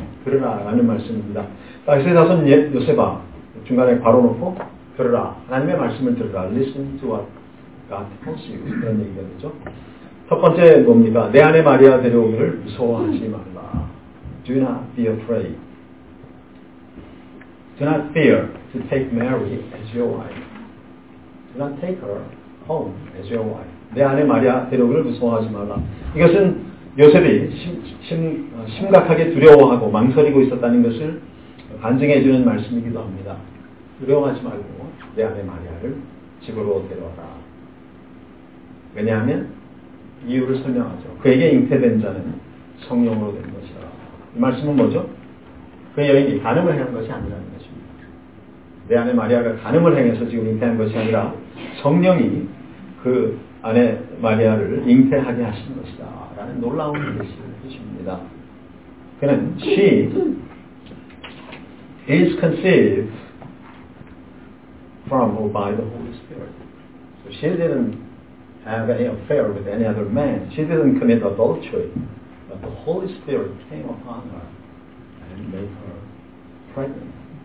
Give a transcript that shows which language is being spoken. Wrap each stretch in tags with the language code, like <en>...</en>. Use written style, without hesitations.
<ko>그러나 라는 말씀입니다. 다윗의 자손 요셉아 중간에 괄호 놓고 들으라. 하나님의 말씀을 들으라.</ko> <en>Listen to what God tells you.</en> <ko>이런 얘기가 되죠. 첫 번째 뭡니까? 내 아내 마리아 데려오기를 무서워하지 말라.</ko> <en>Do not be afraid. Do not fear to take Mary as your wife. Do not take her home as your wife.</en> <ko>내 아내 마리아 데려오기를 무서워하지 말라. 이것은 요셉이 심각하게 두려워하고 망설이고 있었다는 것을 반증해주는 말씀이기도 합니다. 두려워하지 말고 내 아내 마리아를 집으로 데려와라. 왜냐하면 이유를 설명하죠. 그에게 잉태된 자는 성령으로 된 것이라. 이 말씀은 뭐죠? 그 여인이 간음을 행한 것이 아니라는 것입니다. 내 아내 마리아가 간음을 행해서 지금 잉태한 것이 아니라 성령이 그 아내 마리아를 잉태하게 하신 것이다 라는 놀라운 예시를 해줍니다. 그는</ko> <en>She is conceived from or by the Holy Spirit. So she didn't have any affair with any other man. She didn't commit adultery. But the Holy Spirit came upon her and made her pregnant.</en>